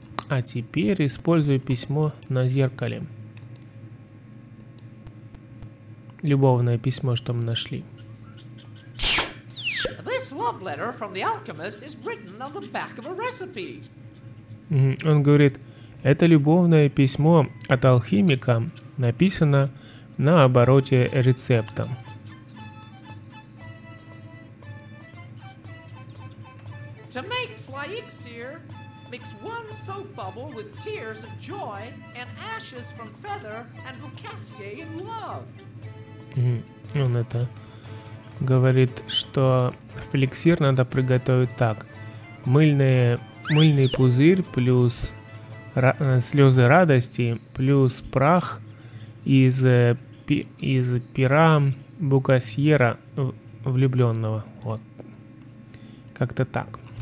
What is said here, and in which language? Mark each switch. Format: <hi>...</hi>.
<ru>А теперь используй письмо на зеркале. Любовное письмо, что мы нашли.</ru> <en>This love letter from the alchemist is written on the back of a recipe.</en> <ru>Он говорит, это любовное письмо от алхимика написано на обороте рецепта.</ru> <en>To make fly elixir. Mix one soap bubble with tears of joy and ashes from feather and bukassier in love.</en> <ru>Он это говорит, что эликсир надо приготовить так. Мыльный пузырь плюс слезы радости плюс прах из пера букассьера влюбленного. Вот. Как-то так.</ru>